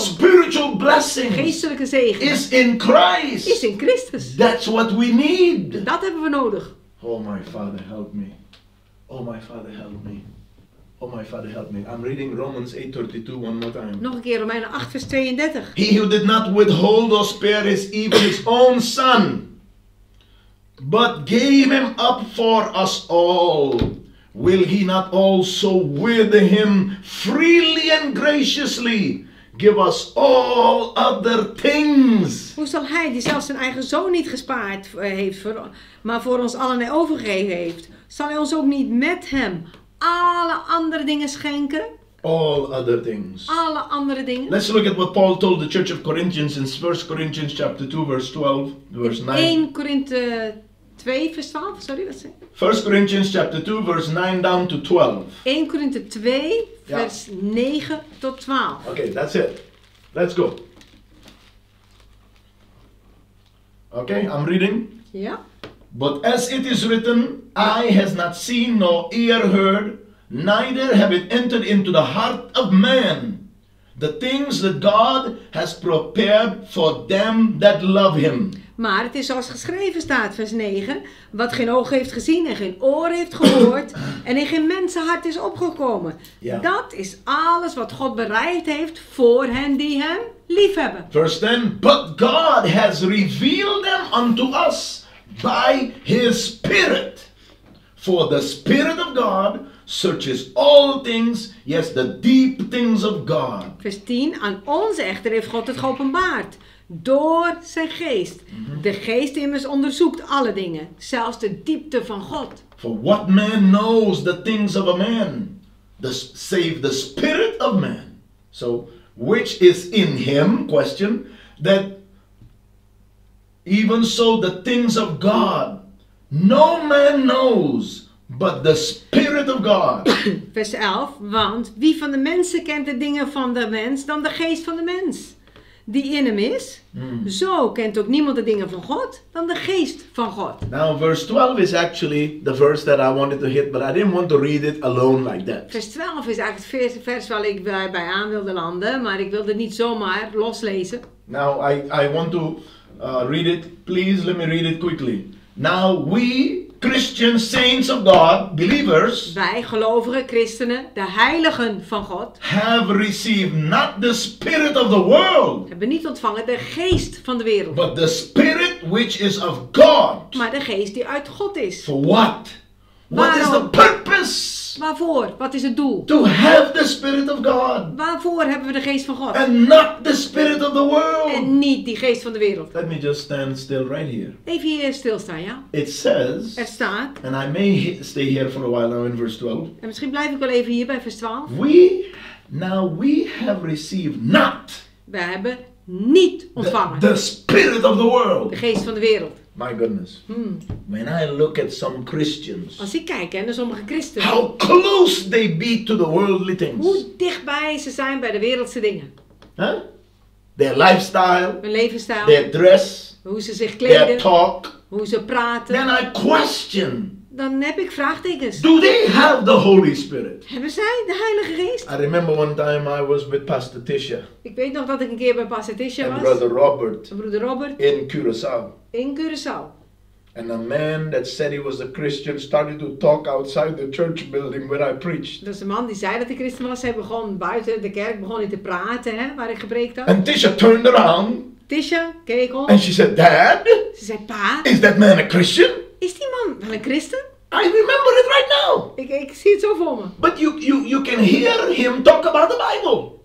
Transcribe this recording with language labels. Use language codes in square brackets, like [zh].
[en] Spiritual blessings. [nl] Geestelijke zegen. [en] Is in Christ. [nl] Is in Christus. [en] That's what we need. [nl] Dat hebben we nodig. [en] Oh my Father, help me. Oh my Father, help me. Oh my Father, help me. I'm reading Romans 8:32 one more time. [nl] Nog een keer, Romeinen 8, vers 32. [en] He who did not withhold or spare his even his own son, but gave him up for us all, will he not also with him freely and graciously give us all other things? [nl] Hoe zal hij, die zelfs zijn eigen zoon niet gespaard heeft, maar voor ons allen overgegeven heeft, zal hij ons ook niet met hem alle andere dingen schenken? [en] all other things. [nl] Alle andere dingen. [en] Let's look at what Paul told the church of Corinthians in 1 Corinthians chapter 2, verse 12, verse 9. 1 Corinthians 2, verse 12, sorry, let's say. 1 Corinthians chapter 2, verse 9 down to 12. [nl] 1 Corinthians 2, verse 9 tot 12. [en] Okay, that's it. Let's go. Okay, I'm reading. Yeah. But as it is written, eye has not seen nor ear heard, neither have it entered into the heart of man, the things that God has prepared for them that love him. [nl] Maar het is zoals geschreven staat, vers 9, wat geen oog heeft gezien en geen oor heeft gehoord en in geen mensenhart is opgekomen. [en] Yeah. [nl] Dat is alles wat God bereid heeft voor hen die hem lief hebben. Vers 10, [en] but God has revealed them unto us by his spirit. For the spirit of God searches all things, yes, the deep things of God. [nl] Vers 10, aan ons echter heeft God het geopenbaard. Door zijn geest. Mm-hmm. De geest immers onderzoekt alle dingen. Zelfs de diepte van God. [en] For what man knows the things of a man, save the spirit of man. So, which is in him, question, that even so the things of God, no man knows, but the spirit of God. [nl] Vers 11, want wie van de mensen kent de dingen van de mens dan de geest van de mens? Die in hem is, zo kent ook niemand de dingen van God dan de geest van God. [en] Now verse 12 is actually the verse that I wanted to hit, but I didn't want to read it alone like that. [nl] Vers 12 is eigenlijk het vers waar ik bij aan wilde landen, maar ik wilde niet zomaar loslezen. [en] Now I want to read it. Please let me read it quickly. Now we Christian saints of God, believers, [nl] wij gelovige christenen, de heiligen van God, [en] have received not the spirit of the world, [nl] hebben niet ontvangen de geest van de wereld, [en] but the spirit which is of God, [nl] maar de geest die uit God is. [en] For what? What is the purpose? [nl] Waarvoor? Wat is het doel? [en] To have the spirit of God. [nl] Waarvoor hebben we de geest van God? [en] And not the spirit of the world. [nl] En niet die geest van de wereld. [en] Let me just stand still right here. [nl] Even hier stilstaan, ja? [en] It says. [nl] Er staat. [en] And I may stay here for a while now in verse 12. [nl] En misschien blijf ik wel even hier bij vers 12. [en] We have received not. [nl] We hebben niet ontvangen. [en] The spirit of the world. [nl] De geest van de wereld. [en] My goodness. When I look at some Christians. [nl] Als ik kijk naar sommige christenen. [en] How close they be to the worldly things. [nl] Hoe dichtbij ze zijn bij de wereldse dingen. [en] Huh? Their lifestyle. [nl] Hun levensstijl. [en] Their dress. [nl] Hoe ze zich kleden. [en] Their talk. [nl] Hoe ze praten. [en] Then I question. [nl] Dan heb ik vraagtekens. [en] Do they have the Holy Spirit? [nl] Hebben zij de Heilige Geest? [en] I remember one time I was with Pastor Tisha. [nl] Ik weet nog dat ik een keer bij Pastor Tisha was. [en] And Brother Robert. [nl] Broeder Robert. [en] In Curaçao. [nl] In Curaçao. [en] And a man that said he was a Christian started to talk outside the church building where I preached. [nl] Dat is een man die zei dat hij christen was. Hij begon buiten de kerk begon hij te praten, hè, waar ik gepreekt had. [en] And Tisha turned around. [nl] Tisha keek om. [en] And she said, Dad. [nl] Ze zei, pa. [en] Is that man a Christian? [nl] Is die man wel een christen? [en] I remember it right now. [nl] Ik zie het zo voor me. [en] But you can hear him talk about the Bible.